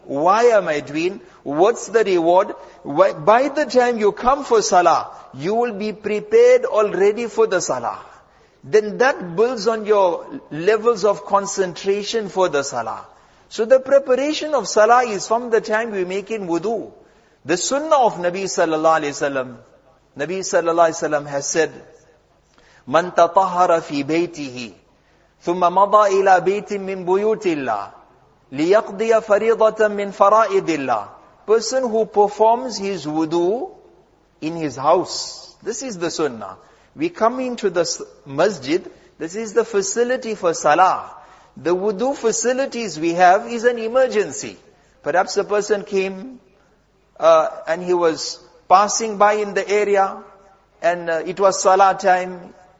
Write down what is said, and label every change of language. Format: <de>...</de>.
<en>Why am I doing? What's the reward? By the time you come for salah, you will be prepared already for the salah. Then that builds on your levels of concentration for the salah. So the preparation of salah is from the time we make in wudu. The sunnah of Nabi sallallahu alayhi wa sallam, Nabi sallallahu alayhi wa sallam has said,</en> <ar>مَن تَطَهَرَ فِي بَيْتِهِ ثُمَّ مَضَى إِلَى بَيْتٍ مِّن بُيُوتِ اللَّهِ لِيَقْضِيَ فَرِيضَةً مِّن فَرَائِدِ اللَّهِ.</ar> <en>Person who performs his wudu in his house. This is the sunnah. We come into the masjid. This is the facility for salah. The wudu facilities we have is an emergency. Perhaps a person came and he was passing by in the area and it was salah time.</en>